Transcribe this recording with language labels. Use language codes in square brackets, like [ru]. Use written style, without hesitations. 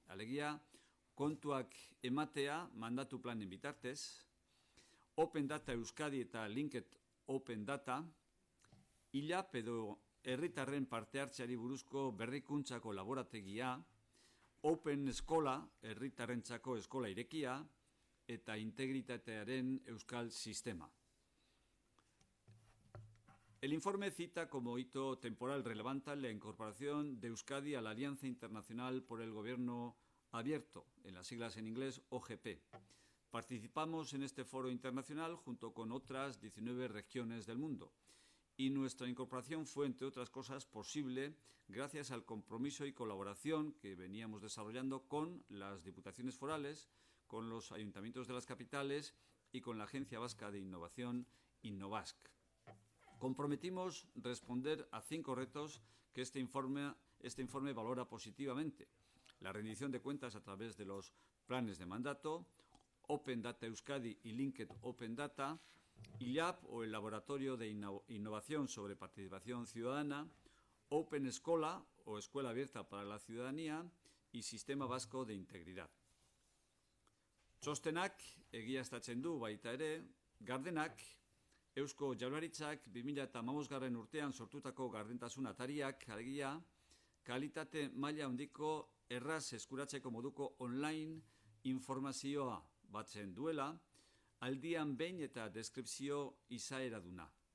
[eu] Alegia, kontuak ematea mandatu planen bitartez, Open Data Euskadi eta Linked Open Data, ILAP edo herritarren parte hartzeari buruzko berrikuntzako laborategia, Open Eskola, herritarrentzako eskola irekia, eta integritatearen euskal sistema. [es] El informe cita como hito temporal relevante la incorporación de Euskadi a la Alianza Internacional por el Gobierno Abierto, en las siglas en inglés OGP. Participamos en este foro internacional junto con otras 19 regiones del mundo y nuestra incorporación fue, entre otras cosas, posible gracias al compromiso y colaboración que veníamos desarrollando con las diputaciones forales, con los ayuntamientos de las capitales y con la Agencia Vasca de Innovación, Innovasc. Comprometimos responder a 5 retos que este informe valora positivamente: la rendición de cuentas a través de los planes de mandato, Open Data Euskadi y Linked Open Data, ILAP o el Laboratorio de Innovación sobre Participación Ciudadana, Open Escola o Escuela Abierta para la Ciudadanía y Sistema Vasco de Integridad. [eu] Txostenak egiaztatzen du baita ere, Gardenak, Eusko Jaurlaritzak 2015. Urtean sortutako gardentasun atariak, algia, kalitate maila handiko erraz eskuratzeko moduko online informazioa batzen duela, aldian behin eta deskripzio izaera duna.